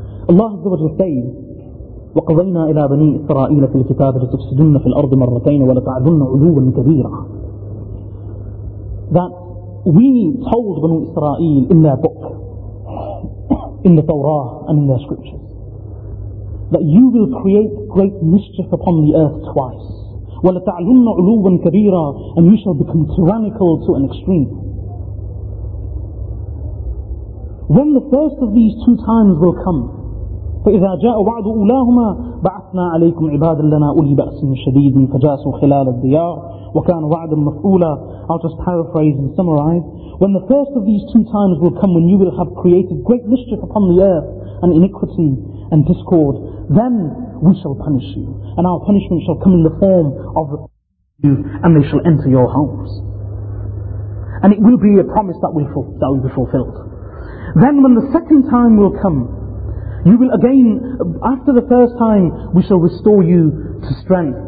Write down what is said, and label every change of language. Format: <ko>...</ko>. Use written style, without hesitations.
<en>Allah Azza wa Jalla says,</en> <ar>وَقَضَيْنَا إِلَىٰ بَنِي إِسْرَائِيلَ فِي الْكِتَابِ لِتُفْسِدُنَّ فِي الْأَرْضِ مَرَّتَيْنَ وَلَتَعْدُنَّ عُلُوًا كَبِيرًا.</ar> <en>That we told Banu Israel in their book in the Torah and in their scriptures. That you will create great mischief upon the earth twice.</en> <ar>وَلَتَعْلُنَّ عُلُوًا كَبِيرًا</ar> <en>And you shall become tyrannical to an extreme. When the first of these two times will come,</en> <ar>فَإِذَا جَاءَ وَعْدُ أُولَاهُمَا بَعَثْنَا عَلَيْكُمْ عِبَادًا لَنَا أُولِي بَأْسٍ شَدِيدٍ فَجَاسُوا خِلَالَ الدِّيَارِ وَكَانَ وَعْدًا مَفْعُولًا</ar> <en>I'll just paraphrase and summarize. When the first of these two times will come, when you will have created great mischief upon the earth, and iniquity and discord, then we shall punish you. And our punishment shall come in the form of you, and they shall enter your homes. And it will be a promise that will be fulfilled. Then when the second time will come, you will again, after the first time, we shall restore you to strength.</en>